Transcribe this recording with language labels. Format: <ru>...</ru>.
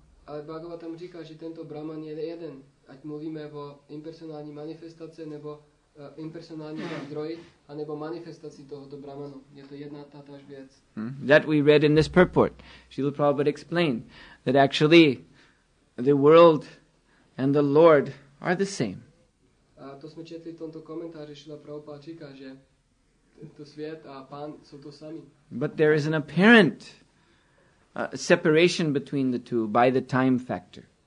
<cs>Ale Bhagavatam říká, že tento Brahman je jeden. Ať mluvíme o impersonální manifestaci nebo impersonální zdroji, anebo manifestaci tohoto Brahmanu. Je to jedna ta tož věc.</cs> <en>That we read in this purport. Srila Prabhupada explained that actually the world and the Lord are the same.</en> <cs>A to jsme četli v tomto komentáři. Srila Prabhupada říká, že to svět a pán jsou to sami.</cs> <en>But there is an apparent separation between the two by the time factor.</en>